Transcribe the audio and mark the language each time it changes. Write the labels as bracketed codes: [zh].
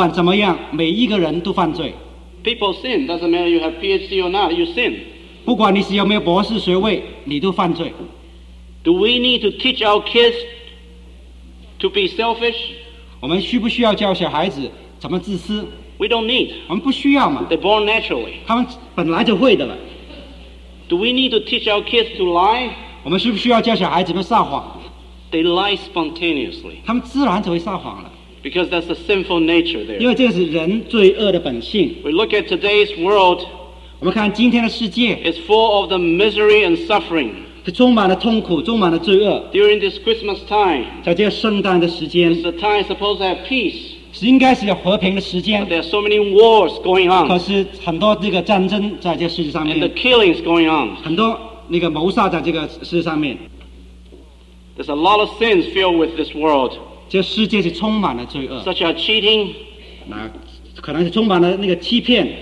[zh] 不管人的年龄或者性别或者是种族或者皮肤的颜色，不管怎么样，每一个人都犯罪。 [en] People sin, doesn't matter you have PhD or not, you sin. [zh] 不管你是有没有博士学位，你都犯罪。 [en] Do we need to teach our kids to be selfish? [zh] 我们需不需要教小孩子怎么自私？ [en] We don't need. [zh] 我们不需要嘛。 [en] They're born naturally. [zh] 他们本来就会的了。 [en] Do we need to teach our kids to lie? [zh] 我们需不需要教小孩子们撒谎？ [en] They lie spontaneously. [zh] 他们自然就会撒谎了。 [en] Because that's the sinful nature there. [zh] 因为这个是人罪恶的本性。 [en] We look at today's world. [zh] 我们看今天的世界。 [en] It's full of the misery and suffering. [zh] 充满了痛苦，充满了罪恶。 [en] During this Christmas time. [zh] 在这个圣诞的时间。 [en] It's the time supposed to have peace. [zh] 是应该是有和平的时间。 [en] But there are so many wars going on. [zh] 可是很多这个战争在这个世界上面。 [en] And the killings going on. [zh] 很多 那个谋杀在这个世上面。 [en] There's a lot of sins filled with this world. [zh] 这世界是充满了罪恶。 [en] Such as cheating. [zh] 那可能是充满了那个欺骗。